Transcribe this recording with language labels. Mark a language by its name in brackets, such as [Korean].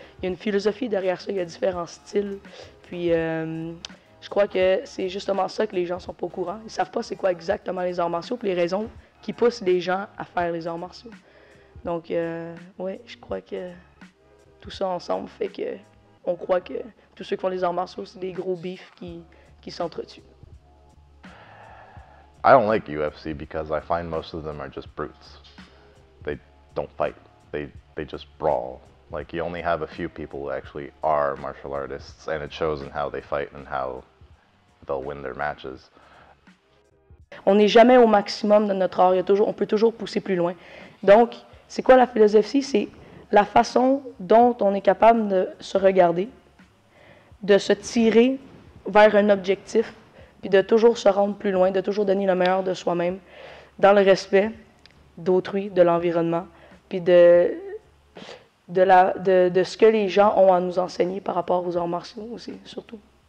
[French] Il y a une philosophie derrière ça, il y a différents styles. Puis, je crois que c'est justement ça que les gens ne sont pas au courant. Ils ne savent pas c'est quoi exactement les arts martiaux, puis les raisons qui poussent les gens à faire les arts martiaux. Donc, oui, je crois que tout ça ensemble fait que on croit que tous ceux qui font les arts martiaux, c'est des gros bifs qui s'entretuent. [English] I don't like UFC because I find most of them are just brutes. They don't fight. They just brawl. Like, you only have a few people who actually are martial artists, and it shows in how they fight and how they'll win their matches. [French] On n'est jamais au maximum de notre art. On peut toujours pousser plus loin. Donc, c'est quoi la philosophie? C'est la façon dont on est capable de se regarder, de se tirer vers un objectif, puis de toujours se rendre plus loin, de toujours donner le meilleur de soi-même, dans le respect d'autrui, de l'environnement, puis de ce que les gens ont à nous enseigner par rapport aux arts martiaux aussi, surtout.